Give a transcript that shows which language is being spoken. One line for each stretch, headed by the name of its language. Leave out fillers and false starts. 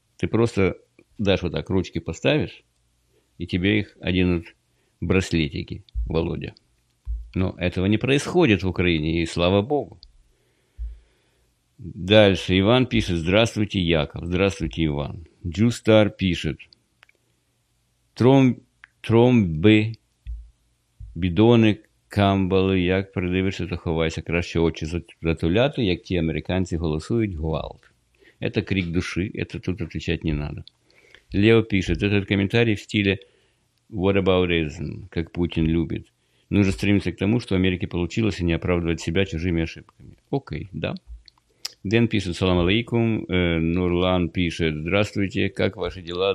Russian: Ты просто дашь вот так, ручки поставишь, и тебе их оденут браслетики, Володя. Но этого не происходит в Украине, и слава Богу. Дальше Иван пишет, здравствуйте, Яков, здравствуйте, Иван.
Ukrainian: Джустар пишет, тромби, бідони, камбали, як придивишся, то ховайся, краще очі затуляти, як ті американці голосують, гвалт.
Russian: Это крик души, это тут отвечать не надо. Лео пишет, этот комментарий в стиле
English: what about ism,
Russian: как Путин любит. Нужно стремиться к тому, что в Америке получилось, и не оправдывать себя чужими ошибками. Окей, да. Дэн пишет, салам алейкум. Нурлан пишет, здравствуйте, как ваши дела?